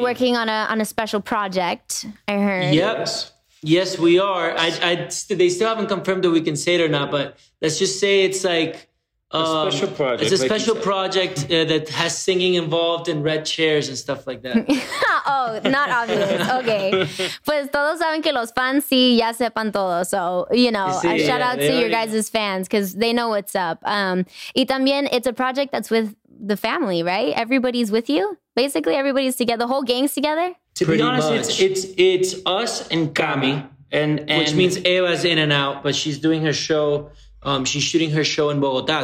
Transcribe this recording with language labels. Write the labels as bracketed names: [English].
[English] Are working on a special project, I heard. Yep. Yes, we are. They still haven't confirmed that we can say it or not, but let's just say it's like... a special project. It's a special project that has singing involved and red chairs and stuff like that. Oh, not obvious. Okay. [Spanish] Pues todos saben que los fans sí ya sepan todo. [English] So, you know, you see, a shout out to your guys' fans, because they know what's up. [Spanish] Y también, [English] it's a project that's with the family, right? Everybody's with you? Basically, everybody's together. The whole gang's together? To Pretty be honest, it's us and Cami. And which means Eva's in and out, but she's doing her show. She's shooting her show in Bogota.